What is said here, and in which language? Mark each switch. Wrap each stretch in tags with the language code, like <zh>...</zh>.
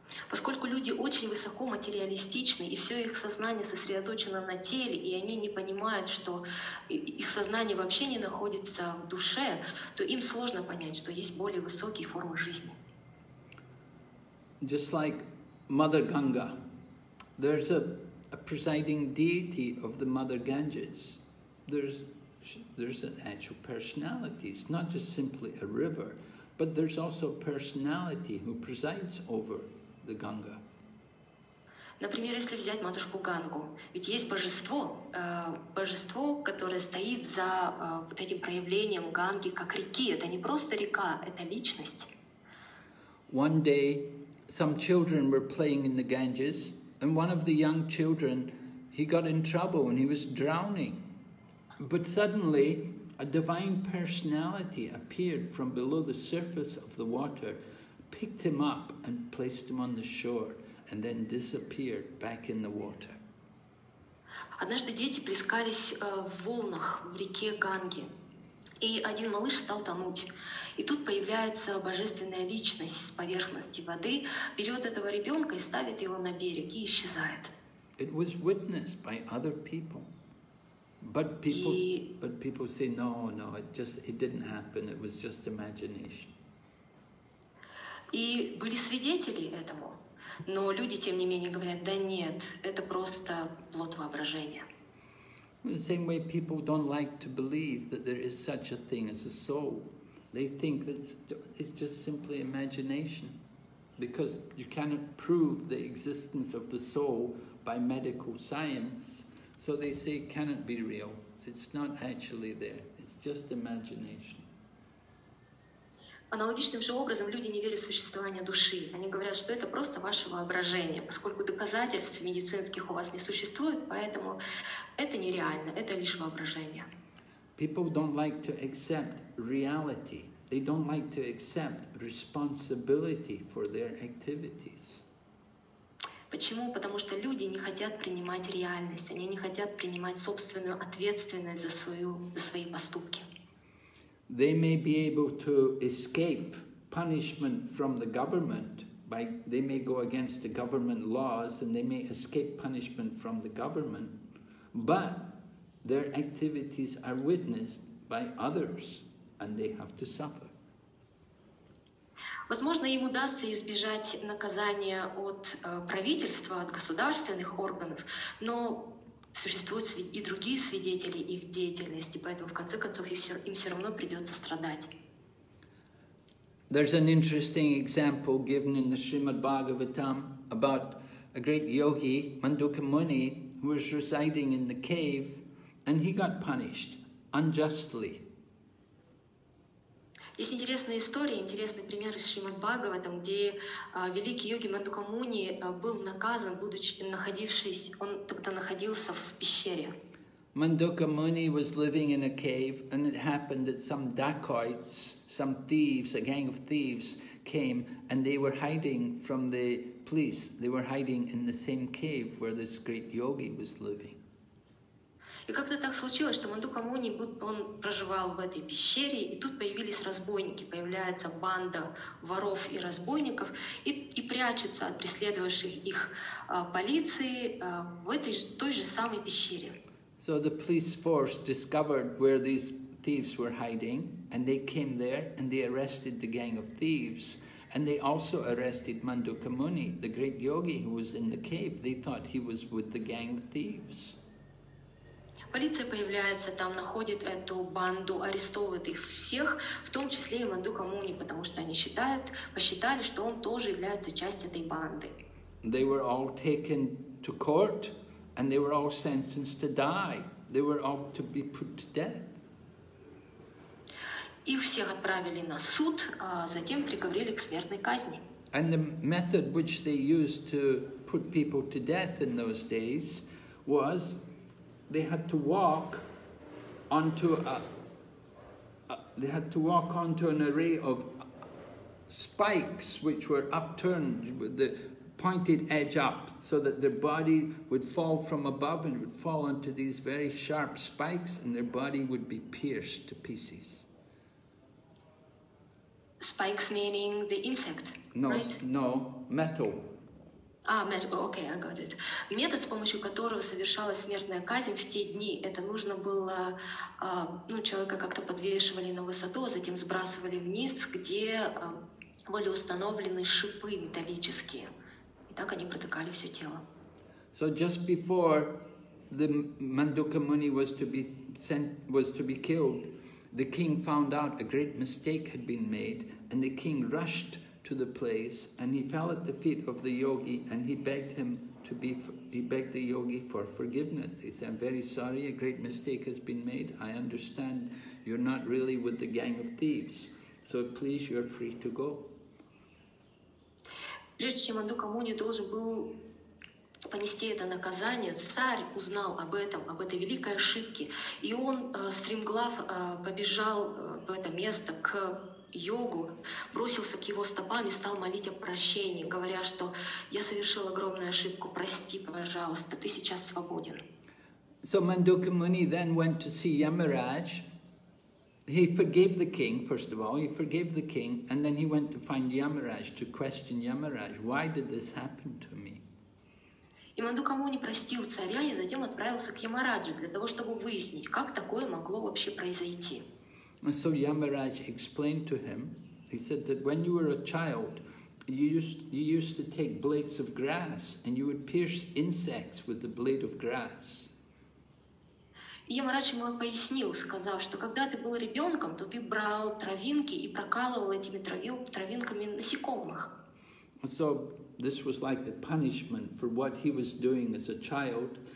<ru>Поскольку люди очень высоко материалистичны, и все их сознание сосредоточено на теле, и они не понимают, что их сознание вообще не находится в душе, то им сложно понять, что есть более высокие формы жизни.</ru> <en>Just like Mother Ganga, there's a presiding deity of the Mother Ganges. There's, there's an actual personality. It's not just simply a river, but there's also a personality who presides over the Ganga.</en> <ru>Например, если взять матушку Гангу, ведь есть божество, божество, которое стоит за вот этим проявлением Ганги как реки. Это не просто река, это личность.</ru> <en>One day, some children were playing in the Ganges, and one of the young children, he got in trouble and he was drowning. But suddenly, a divine personality appeared from below the surface of the water, picked him up and placed him on the shore. And then disappeared back in the water.</en> <ru>Однажды дети плескались в волнах в реке Ганги, и один малыш стал тонуть. И тут появляется божественная личность с поверхности воды, берет этого ребенка и ставит его на берег и исчезает.</ru> <en>It was witnessed by other people, but people say no, it didn't happen. It was just imagination.</en> <ru>И были свидетели этому. Но люди, тем не менее, говорят, да нет, это просто плод воображения.</ru> <en>In the same way, people don't like to believe that there is such a thing as a soul. They think that it's just simply imagination. Because you cannot prove the existence of the soul by medical science. So they say it cannot be real. It's not actually there. It's just imagination.</en> <ru>Аналогичным же образом люди не верят в существование души. Они говорят, что это просто ваше воображение, поскольку доказательств медицинских у вас не существует, поэтому это нереально, это лишь воображение.</ru> <en>People don't like to accept reality. They don't like to accept responsibility for their activities.</en> <ru>Почему? Потому что люди не хотят принимать реальность, они не хотят принимать собственную ответственность за свои поступки.</ru> <en>They may be able to escape punishment from the government. They may go against the government laws and they may escape punishment from the government, but their activities are witnessed by others and they have to suffer.</en> <ru>Возможно, им удастся избежать наказания от правительства, от государственных органов, но существуют и другие свидетели их деятельности, поэтому в конце концов им все равно придется страдать.</ru> <en>There's an interesting example given in the Srimad Bhagavatam about a great yogi, Manduka Muni, who was residing in the cave, and he got punished unjustly.</en> <ru>Есть интересная история, интересный пример из Шримад Бхагаватам, где великий йоги Мандука Муни был наказан, будучи находившись, он тогда находился в пещере.</ru> <en>Мандука Муни was living in a cave, and it happened that some dacoits, some thieves, a gang of thieves came, and they were hiding from the police. They were hiding in the same cave where this great yogi was living.</en> <ru>И как-то так случилось, что Мандука Муни, он проживал в этой пещере, и тут появились разбойники, появляется банда воров и разбойников, и прячутся от преследовавших их полиции в этой той же самой пещере.</ru> <en>So the police force discovered where these thieves were hiding, and they came there, and they arrested the gang of thieves, and they also arrested Мандука Муни, the great yogi who was in the cave. They thought he was with the gang of thieves.</en> <ru>Полиция появляется там, находит эту банду, арестовывает их всех, в том числе и Мандука Муни, потому что они считают, посчитали, что он тоже является частью этой банды.</ru> <en>They were all taken to court, and they were all sentenced to die. They were all to be put to death.</en> <ru>Их всех отправили на суд, а затем приговорили к смертной казни.</ru> <en>And the method which they used to put people to death in those days was they had to walk onto an array of spikes which were upturned with the pointed edge up so that their body would fall from above and would fall onto these very sharp spikes and their body would be pierced to pieces. Spikes meaning the insect, no, right? No, metal. Okay, I got it.</en> <ru>Метод, с помощью которого совершалась смертная казнь в те дни, это нужно было, человека как-то подвешивали на высоту, а затем сбрасывали вниз, где были установлены шипы металлические. И так они протыкали все тело.</ru> <en>So just before the Manduka Muni was to be sent, was to be killed, the king found out a great mistake had been made, and the king rushed to the place and he fell at the feet of the yogi and he begged him to be, he begged the yogi for forgiveness. He said, "I'm very sorry, a great mistake has been made. I understand you're not really with the gang of thieves, so please, you're free to go."</en> <ru>Прежде чем Мандука Муни должен был понести это наказание, царь узнал об этом, об этой великой ошибке, и он стремглав побежал в это место к йогу, бросился к его стопам и стал молить о прощении, говоря, что я совершил огромную ошибку, прости, пожалуйста, ты сейчас свободен.</ru> <en>So Mandukya Muni then went to see Yamaraj. He forgave the king, first of all, he forgave the king, and then he went to find Yamaraj, to question Yamaraj, why did this happen to me?</en> <ru>И Мандука Муни простил царя и затем отправился к Ямараджу для того, чтобы выяснить, как такое могло вообще произойти.</ru> <en>And so Yamaraj explained to him, he said that when you were a child, you used to take blades of grass and you would pierce insects with the blade of grass.</en> <ru>И Ямарадж ему пояснил, сказав, что когда ты был ребенком, то ты брал травинки и прокалывал этими травинками насекомых.</ru> <en>So this was like the punishment for what he was doing as a child.</en>